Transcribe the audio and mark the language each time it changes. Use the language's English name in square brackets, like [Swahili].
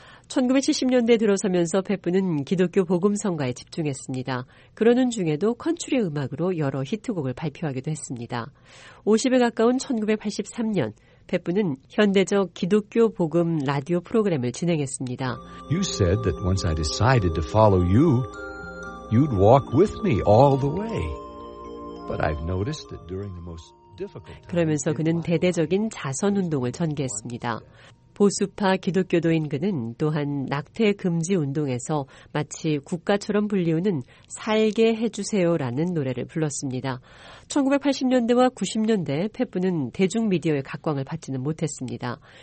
[Korean] 1970년대에 들어서면서 페프는 기독교 복음성가에 집중했습니다. 그러는 중에도 컨트리 음악으로 여러 히트곡을 발표하기도 했습니다. 50에 가까운 1983년, 페프는 현대적 기독교 복음 라디오 프로그램을 진행했습니다. [English] You said that once I decided to follow you, you'd walk with me all the way. But I've noticed that during the most difficult... [Korean] 그러면서 그는 대대적인 자선운동을 전개했습니다. 보수파 기독교도인 그는 또한 낙태 금지 운동에서 마치 국가처럼 불리우는 살게 해주세요라는 노래를 불렀습니다. 1980년대와 90년대 페프는 대중미디어의 각광을 받지는 못했습니다.